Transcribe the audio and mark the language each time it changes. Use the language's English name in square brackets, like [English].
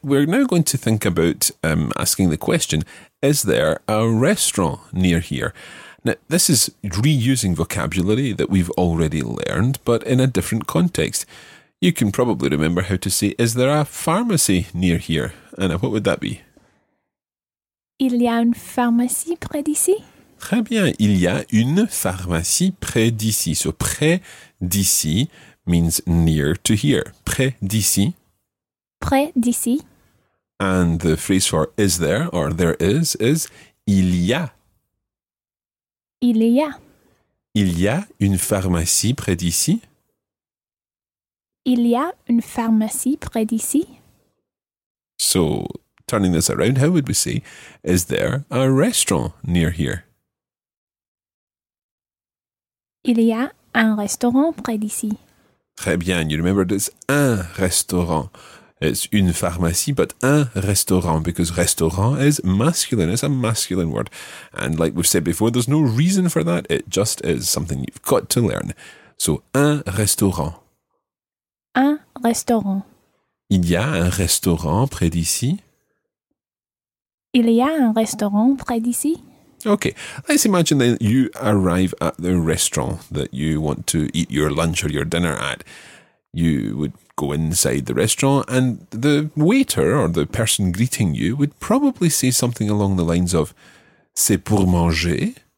[English] We're now going to think about asking the question, is there a restaurant near here? Now, this is reusing vocabulary that we've already learned, but in a different context. You can probably remember how to say, is there a pharmacy near here? Anna, what would that be? [French] Il y a une pharmacie près d'ici. Très bien. Il y a une pharmacie près d'ici. [English] So, [French] près d'ici [English] means near to here. [French] Près d'ici. Près d'ici. [English] And the phrase for is there or there is [French] il y a. Il y a. Il y a une pharmacie près d'ici. Il y a une pharmacie près d'ici. [English] So, turning this around, how would we say, is there a restaurant near here? [French] Il y a un restaurant près d'ici. Très bien. [English] You remember this, [French] un restaurant. [English] It's [French] une pharmacie, [English] but un restaurant, because restaurant is masculine. It's a masculine word. And like we've said before, there's no reason for that. It just is something you've got to learn. [French] So, un restaurant. Un restaurant. Il y a un restaurant près d'ici. Il y a un restaurant près d'ici. [English] Okay, let's imagine that you arrive at the restaurant that you want to eat your lunch or your dinner at. You would go inside the restaurant and the waiter or the person greeting you would probably say something along the lines of [French] c'est pour manger.